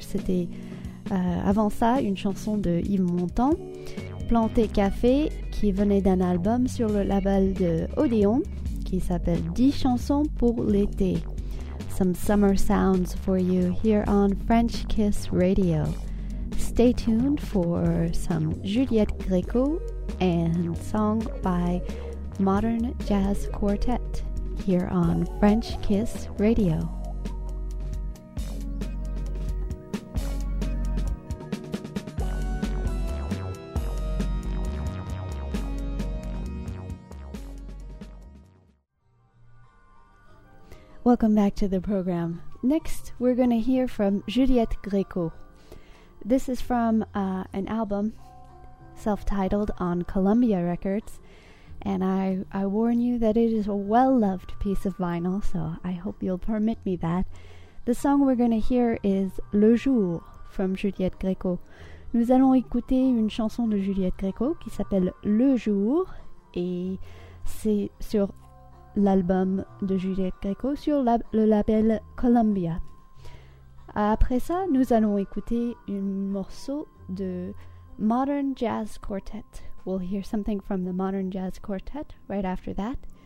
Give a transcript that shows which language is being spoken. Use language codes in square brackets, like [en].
[fr] C'était avant ça une chanson de Yves Montand. Planté Café, qui venait d'un album sur le label de Odéon, qui s'appelle 10 chansons pour l'été. [en] Some summer sounds for you here on French Kiss Radio. Stay tuned for some Juliette Gréco and song by Modern Jazz Quartet here on French Kiss Radio. Welcome back to the program. Next, we're going to hear from Juliette Gréco. This is from an album self-titled on Columbia Records, and I warn you that it is a well-loved piece of vinyl, so I hope you'll permit me that. The song we're going to hear is Le Jour from Juliette Gréco. [fr] Nous allons écouter une chanson de Juliette Gréco qui s'appelle Le Jour, et c'est sur l'album de Juliette Gréco sur le label Columbia. Après ça, nous allons écouter un morceau de Modern Jazz Quartet. [en] We'll hear something from the Modern Jazz Quartet right after that.